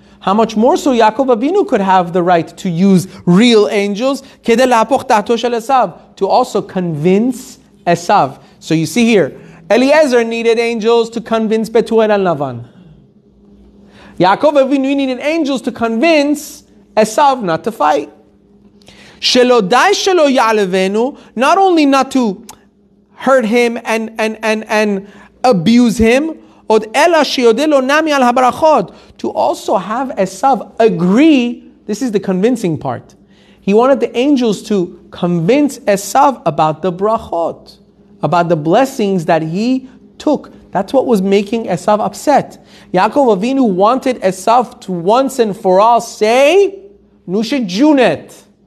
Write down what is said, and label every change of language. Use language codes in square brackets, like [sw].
[en] How much more so Yaakov Avinu could have the right to use real angels [he] כדי להפוך דעתו של Esav, [en] to also convince Esav. So you see here, Eliezer needed angels to convince Betuel and Lavan. Yaakov Avinu needed angels to convince Esav not to fight. [he] שלא די שלא יעלבנו, [en] not only not to hurt him and abuse him, [he] עוד אלא שיודה לו נמי על הברכות. [en] To also have Esav agree, this is the convincing part. He wanted the angels to convince Esav about the brachot, about the blessings that he took. That's what was making Esav upset. Yaakov Avinu wanted Esav to once and for all say, Nusha Junet.